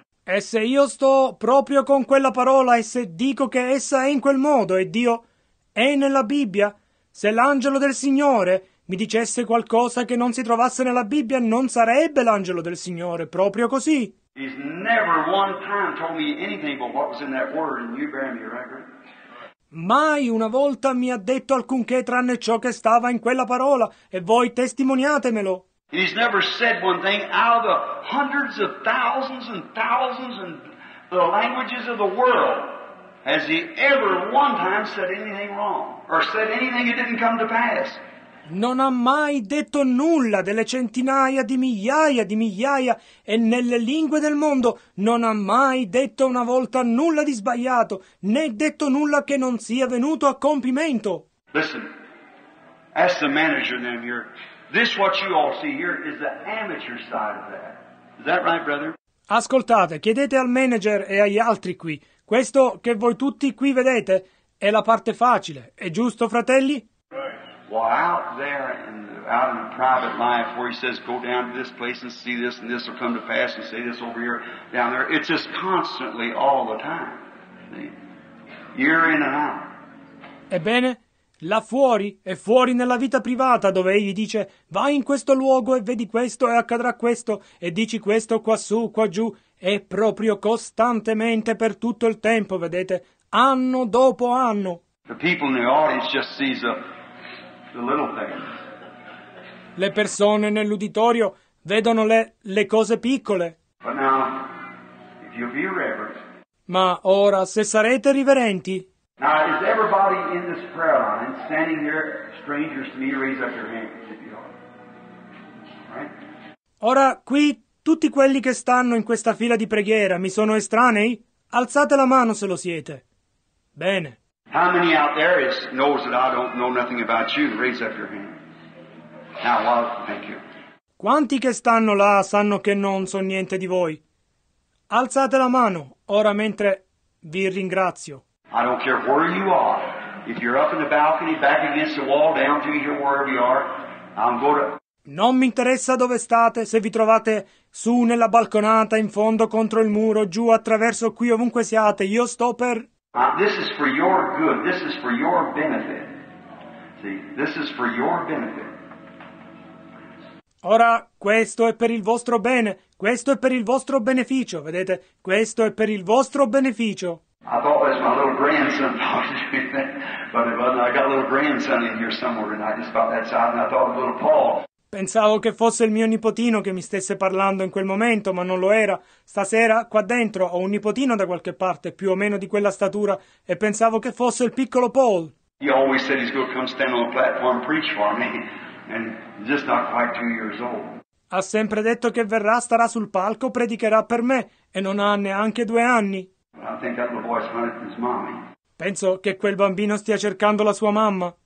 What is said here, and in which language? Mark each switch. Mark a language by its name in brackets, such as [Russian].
[Italian] E se io sto proprio con quella parola e se dico che essa è in quel modo e Dio è nella Bibbia, se l'angelo del Signore mi dicesse qualcosa che non si trovasse nella Bibbia, non sarebbe l'angelo del Signore, proprio così. [English] He's never one time told me anything but what was in that word and you bear me record. [Italian] Mai una volta mi ha detto alcunché tranne ciò che stava in quella parola e voi testimoniatemelo. [English] He's never said one thing out of the hundreds of thousands and thousands and the languages of the world. Has he ever one time said anything wrong or said anything that didn't come to pass? [Italian] Non ha mai detto nulla delle centinaia di migliaia e nelle lingue del mondo non ha mai detto una volta nulla di sbagliato né detto nulla che non sia venuto a compimento. [English] Listen, ask the manager then here. This what you all see here is the amateur side of that. Is that right, brother? [Italian] Ascoltate, chiedete al manager e agli altri qui. Questo che voi tutti qui vedete è la parte facile, è giusto, fratelli? [English] Well, out there, and out in the private life, where he says, go down to this place and see this, and this will come to pass, and say this over here, down there. It's just constantly, all the time. See? Year in and out. [Italian] Ebbene, là fuori, e fuori nella vita privata, dove egli dice, vai in questo luogo e vedi questo, e accadrà questo, e dici questo quassù, quaggiù, è proprio costantemente per tutto il tempo, vedete, anno dopo anno. [English] The people in the audience just sees a... the little thing. [Italian] Le persone nell'uditorio vedono le cose piccole. [English] But now, if you'll be reverent, [Italian] ma ora, se sarete riverenti. [English] Now, is everybody in this prayer line standing here, strangers to me, raise up your hand if you are. Right? [Italian] Ora, qui, tutti quelli che stanno in questa fila di preghiera mi sono estranei? Alzate la mano se lo siete. Bene. [English] How many out there is knows that I don't know nothing about you? Raise up your hand. Now, well, thank you. [Italian] Quanti che stanno là sanno che non so niente di voi? Alzate la mano, ora mentre vi ringrazio. [English] I don't care where you are. If you're up in the balcony, back against the wall, down to here, wherever you are, I'm going to... [Italian] Non mi interessa dove state, se vi trovate su nella balconata, in fondo, contro il muro, giù, attraverso qui, ovunque siate, io sto per... [English] This is for your good. This is for your benefit. See, this is for your benefit. [Italian] Ora, questo è per il vostro bene. Questo è per il vostro beneficio, vedete? Questo è per il vostro beneficio. [English] I thought it was my little grandson talking to me, but it wasn't. I got a little grandson in here somewhere tonight, just about that side, and I thought of little Paul. [Italian] Pensavo che fosse il mio nipotino che mi stesse parlando in quel momento, ma non lo era. Stasera, qua dentro, ho un nipotino da qualche parte, più o meno di quella statura, e pensavo che fosse il piccolo Paul. [English] He always said he's gonna come stand on the platform and preach for me, and just not quite 2 years old. [Italian] Ha sempre detto che verrà, starà sul palco, predicherà per me, e non ha neanche 2 anni. [English] I think that little boy's hunting his mommy. [Italian] Penso che quel bambino stia cercando la sua mamma.